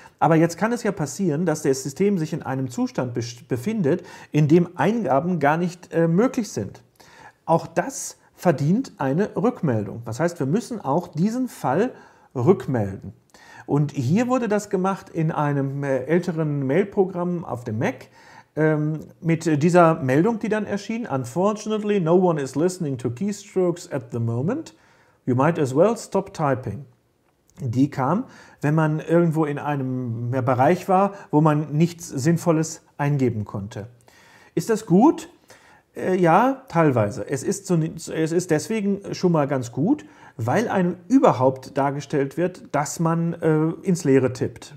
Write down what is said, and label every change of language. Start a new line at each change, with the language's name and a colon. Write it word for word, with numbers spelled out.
German: Aber jetzt kann es ja passieren, dass das System sich in einem Zustand be- befindet, in dem Eingaben gar nicht äh, möglich sind. Auch das verdient eine Rückmeldung. Das heißt, wir müssen auch diesen Fall rückmelden. Und hier wurde das gemacht in einem älteren Mailprogramm auf dem Mac ähm, mit dieser Meldung, die dann erschien.
English: Unfortunately, no one is listening to keystrokes at the moment. You might as well stop typing.
German: Die kam, wenn man irgendwo in einem Bereich war, wo man nichts Sinnvolles eingeben konnte. Ist das gut? Ja, teilweise. Es ist, so, es ist deswegen schon mal ganz gut, weil einem überhaupt dargestellt wird, dass man äh, ins Leere tippt.